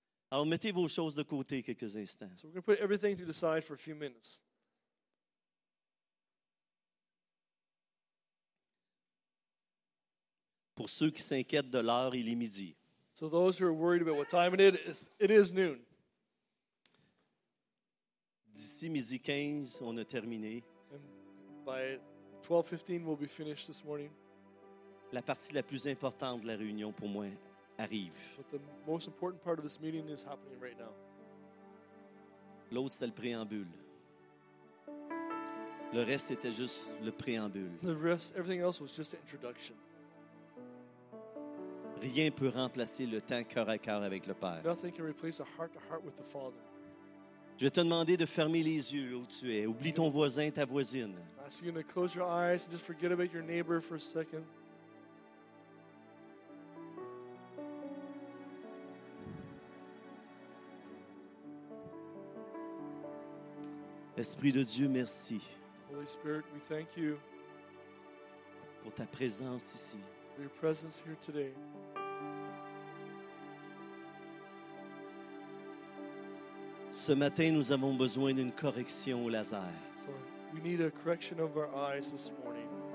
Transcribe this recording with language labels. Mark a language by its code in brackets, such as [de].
[fr] Alors, mettez vos choses de côté quelques instants. [en] So we're going to put everything to the side for a few minutes. [fr] Pour ceux qui s'inquiètent de l'heure, il est midi. [en] So those who are worried about what time it is noon. [fr] D'ici midi 15, on a terminé. [en] And by 12:15, we'll be finished this morning. [fr] La partie la plus importante de la réunion pour moi arrive. [en] But the most important part of this meeting is happening right now. [fr] L'autre, c'était le préambule. Le reste était juste le préambule. [en] The rest, everything else was just an introduction. [fr] Rien peut remplacer le temps cœur à cœur avec le Père. [en] Nothing can replace a heart-to-heart with the Father. [fr] Je vais te demander de fermer les yeux où tu es. Oublie ton voisin, ta voisine. [en] I ask you to close your eyes and just forget about your neighbor for a second. [fr] Esprit de Dieu, merci. [en] Holy Spirit, we thank you [fr] pour ta présence ici. [en] For your presence here today. [fr] Ce matin, nous avons besoin d'une correction au laser. [en] So we need a correction of our eyes this morning.